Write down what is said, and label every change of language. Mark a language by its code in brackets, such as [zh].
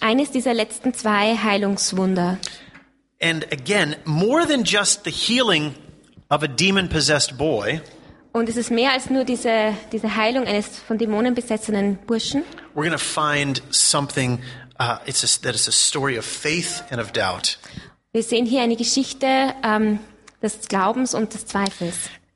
[de] Eines dieser letzten zwei Heilungswunder. [en] And again, more than just the healing of a demon-possessed boy. [de] Und es ist mehr als nur diese Heilung eines von Dämonen besessenen Burschen. [en] We're going to find something that is a story of faith and of doubt. [de] Wir sehen hier eine Geschichte des Glaubens und des Zweifels.